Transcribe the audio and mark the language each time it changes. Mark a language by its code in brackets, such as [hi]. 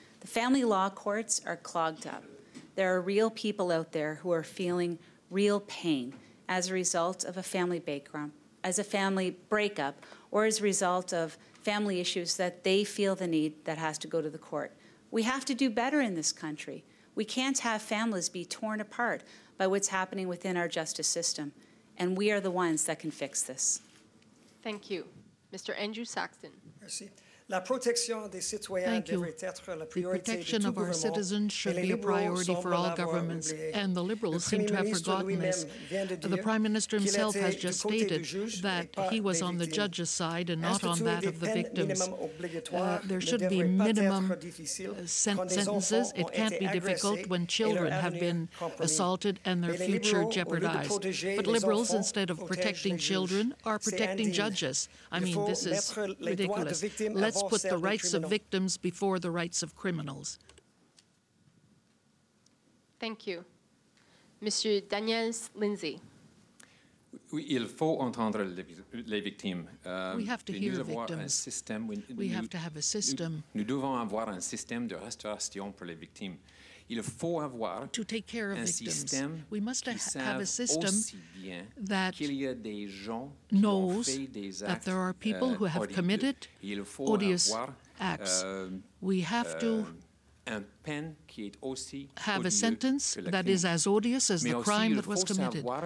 [en] The family law courts are clogged up. There are real people out there who are feeling real pain as a result of a family bankrupt, as a family breakup, or as a result of family issues that they feel the need that has to go to the court. We have to do better in this country. We can't have families be torn apart by what's happening within our justice system. And we are the ones that can fix this. Thank you. Mr. Andrew Saxton. [fr] Merci. La protection des citoyens devrait être la priorité. [en] The protection of our citizens should be a priority for all governments, and the Liberals seem to have forgotten this. The Prime Minister himself has just stated that he was on the judge's side and not on that of the victims. There should be minimum sentences. It can't be difficult when children have been assaulted and their future jeopardized. But Liberals, instead of protecting children, are protecting judges. I mean, this is ridiculous. Let's put the rights of victims before the rights of criminals. Thank you. Monsieur Daniel Lindsay. [fr] Il faut entendre les victimes. [en] We have to hear victims. We have to have a system. [fr] Nous devons avoir un système de restauration pour les victimes. Il faut avoir [en] to take care of victims. We must have a system that knows that there are people who have committed odious acts. We have to have a sentence that is as odious as the crime that was committed.